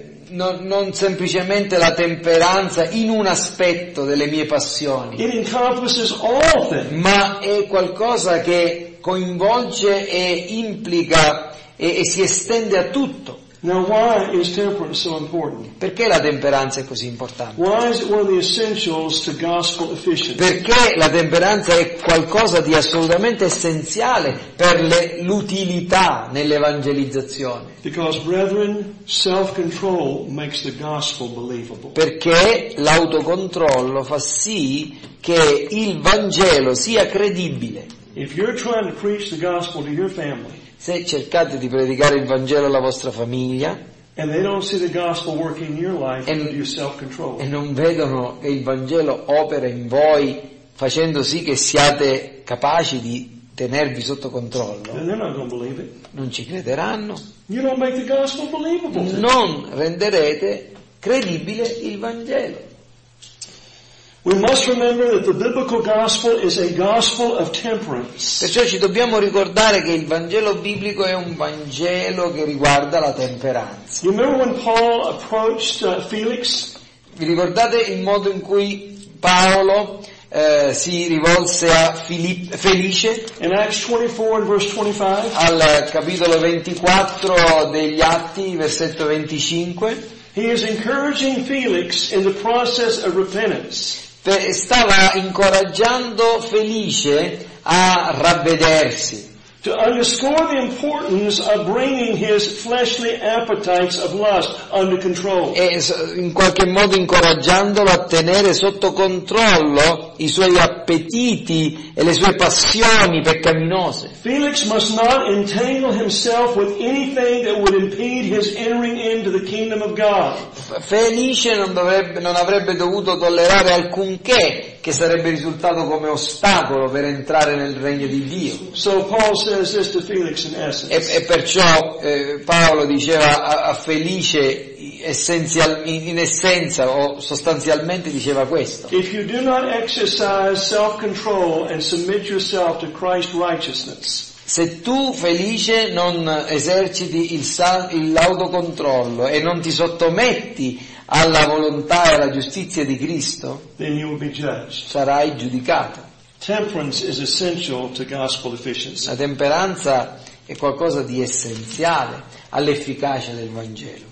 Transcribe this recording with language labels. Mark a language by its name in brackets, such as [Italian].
[Italian] Non semplicemente la temperanza in un aspetto delle mie passioni, [English] it encompasses all things. [Italian] Ma è qualcosa che coinvolge e implica e si estende a tutto. [English] Now, why is temperance so important? [Italian] Perché la temperanza è così importante? [English] Why is it one of the essentials to gospel efficiency? [Italian] Perché la temperanza è qualcosa di assolutamente essenziale per l'utilità nell'evangelizzazione. [English] Because, brethren, self-control makes the gospel believable. [Italian] Perché l'autocontrollo fa sì che il Vangelo sia credibile. [English] If you're trying to preach the gospel to your family, [Italian] se cercate di predicare il Vangelo alla vostra famiglia e non vedono che il Vangelo opera in voi facendo sì che siate capaci di tenervi sotto controllo, non ci crederanno. [English] You don't make the gospel believable. [Italian] Non renderete credibile il Vangelo. [English] We must remember that the biblical gospel is a gospel of temperance. [Italian] Perciò ci dobbiamo ricordare che il Vangelo biblico è un Vangelo che riguarda la temperanza. [English] You remember when Paul approached Felix? [Italian] Vi ricordate il modo in cui Paolo si rivolse a Felice? [English] In Acts 24 and verse 25. [Italian] Al capitolo 24 degli Atti, versetto 25. [English] He is encouraging Felix in the process of repentance. [Italian] Stava incoraggiando Felice a ravvedersi. [English] To underscore the importance of bringing his fleshly appetites of lust under control. [Italian] E in qualche modo incoraggiandolo a tenere sotto controllo i suoi appetiti e le sue passioni peccaminose. [English] Felix must not entangle himself with anything that would impede his entering into the kingdom of God. [Italian] Felice non avrebbe dovuto tollerare alcunché che sarebbe risultato come ostacolo per entrare nel regno di Dio. [English] So Paul says this to Felix in essence. [Italian] E perciò Paolo diceva a Felice in essenza o sostanzialmente diceva questo. [English] If you do not exercise self-control and submit yourself to Christ's righteousness. [Italian] Se tu, Felice, non eserciti l'autocontrollo e non ti sottometti alla volontà e alla giustizia di Cristo, [English] then you will be judged. [Italian] Sarai giudicato. [English] Temperance is essential to gospel efficiency. [Italian] La temperanza è qualcosa di essenziale all'efficacia del Vangelo.